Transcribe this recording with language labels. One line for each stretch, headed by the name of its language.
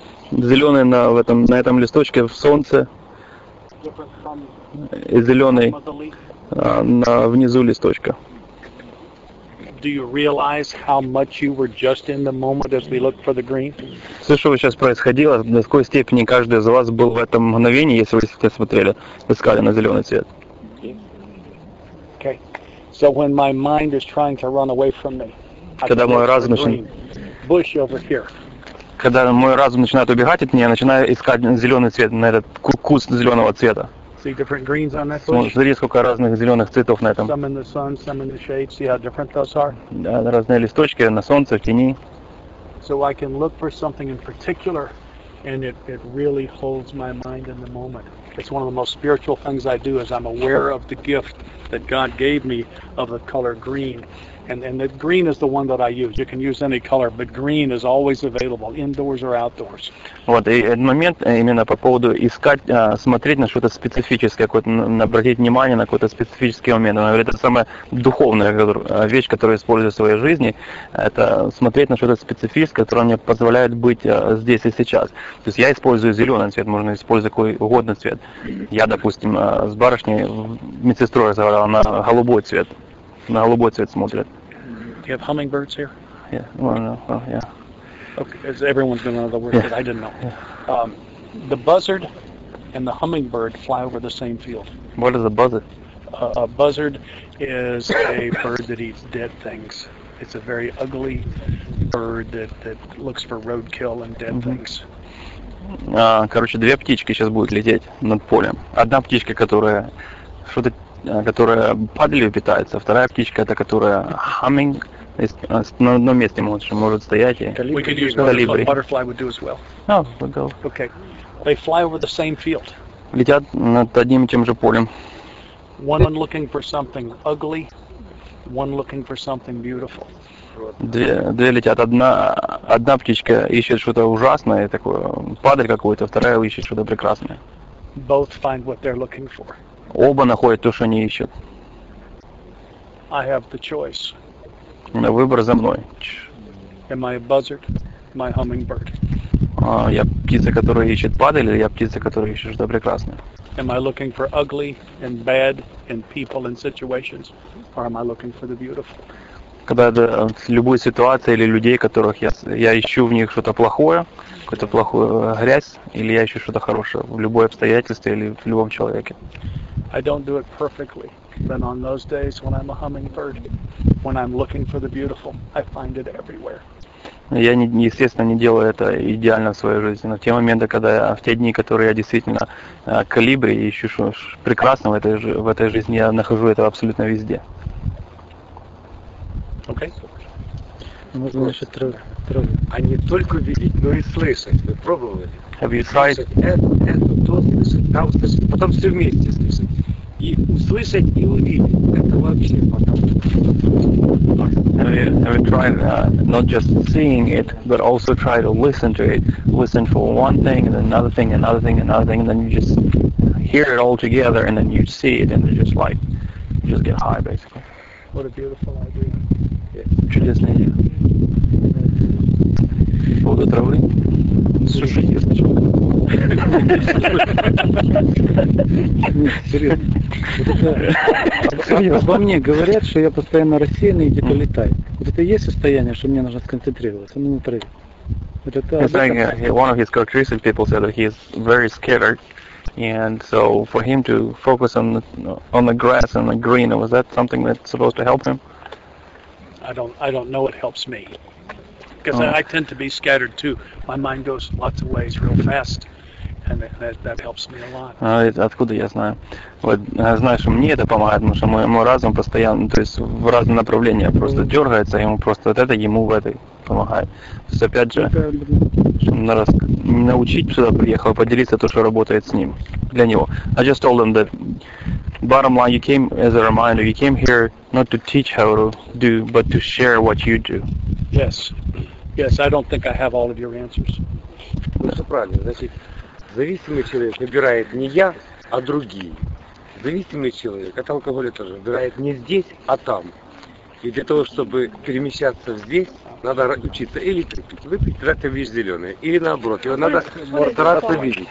Russian: Зеленый на этом листочке в солнце. И зеленый внизу листочка.
English: Do you realize how much you were just in the moment as we look for the green?
Russian: Слышу, что сейчас происходило, до какой степени каждый из вас был в этом мгновении, если вы сейчас смотрели, искали на зеленый цвет.
English: Okay. So when my mind is trying to run away from me,
Russian: когда мой разум
English: bush over here.
Russian: Когда мой разум начинает убегать от меня, я начинаю искать зеленый цвет на этот куст зеленого цвета.
English: See different greens on that bush?
Russian: Смотри, сколько разных зеленых цветов на этом.
English: Some in the sun, some in the shade. See how different those are?
Russian: Да, разные листочки на солнце, в тени.
English: So I can look for something in particular, and it really holds my mind in the moment. It's one of the most spiritual things I do, is I'm aware of the gift that God gave me of the color green. And the green is the one that I use. You can use any color, but green is always available, indoors or outdoors.
Russian: Вот, и этот момент именно по поводу искать, смотреть на что-то специфическое, какое-то, обратить внимание на какой-то специфический момент. Он говорит, это самая духовная вещь, которую использую в своей жизни, это смотреть на что-то специфическое, которое мне позволяет быть здесь и сейчас. То есть я использую зеленый цвет, можно использовать какой угодно цвет. Я, допустим, с барышней, медсестрой разговаривал, она голубой цвет. На голубой цвет смотрят.
English: Do you have hummingbirds here? Yeah. Okay, as everyone's gonna know the word, yeah. I didn't know. Yeah. The buzzard and the hummingbird fly over the same field. What is a buzzard? A buzzard is a bird that eats dead things. It's a very ugly bird that looks for roadkill and dead things.
Russian: Короче, две птички сейчас будут лететь над полем. Одна птичка, которая что-то которая падалью питается, вторая птичка, это которая humming, на одном месте может стоять, и
English: калибри. Butterfly would do as well. Oh, we'll go. Okay. They fly over the same field.
Russian: Летят над одним и тем же полем.
English: One looking for something ugly, one looking for something beautiful.
Russian: Две летят. Одна птичка ищет что-то ужасное, такое падаль какой-то, вторая ищет что-то прекрасное.
English: Both find what they're looking for.
Russian: Оба находят то, что они ищут.
English: I have the choice.
Russian: На выбор за мной.
English: Am I a buzzard? Am I a hummingbird?
Russian: Я птица, которая ищет падаль, или я птица, которая ищет что-то прекрасное?
English: Am I looking for ugly and bad and people and situations, or am I looking for the beautiful?
Russian: Когда это любую ситуацию или людей, которых я ищу в них что-то плохое, какую-то плохую грязь, или я ищу что-то хорошее в любой обстоятельстве или в любом человеке.
English: I don't do it perfectly. Then on those days when I'm a hummingbird, when I'm looking for the beautiful, I find it everywhere.
Russian: Я, естественно, не делаю это идеально в своей жизни, но в те моменты, когда в те дни, которые я действительно калибри и ищу прекрасного в этой жизни, я нахожу это абсолютно везде. Окей. Можно еще трогать. А не только видеть, но и слышать. Вы пробовали?
English: Have you tried?
Russian: Слышать, потом все вместе слышать. И услышать, и увидеть. Это вообще потом.
English: Have you tried not just seeing it, but also try to listen to it? Listen for one thing, and another thing, another thing, another thing, and then you just hear it all together, and then you see it, and then just like, you just get high, basically. What a beautiful idea.
Russian: Чудесная идея. По поводу травы. Сушить я сначала. Во мне говорят, что я постоянно рассеянный и где-то летаю. Вот это и есть состояние, что мне нужно сконцентрироваться на траве. Это та.
English: He's saying one of his most recent people said that he is very scattered, and so for him to focus on the grass and the green, was that something that's supposed to help him? I don't know what helps me, because I tend to be scattered too. My mind goes lots of ways real fast, and that helps me a lot.
Russian: Откуда я знаю? Вот знаю, что мне это помогает, потому что мой разум постоянно, то есть в разные направления просто дергается, ему просто вот это, ему в этой помогает. То есть опять же, научить сюда приехал, поделиться то, что работает с ним для него.
English: I just told him that. Bottom line, you came as a reminder. You came here not to teach how to do, but to share what you do. Yes. Yes, I don't think I have all of your answers.
Russian: Ну, все правильно. Значит, зависимый человек выбирает не я, а другие. Зависимый человек от алкоголя тоже выбирает не здесь, а там. И для того, чтобы перемещаться здесь, надо учиться или выпить, когда ты видишь зеленое, или наоборот. Его надо стараться видеть.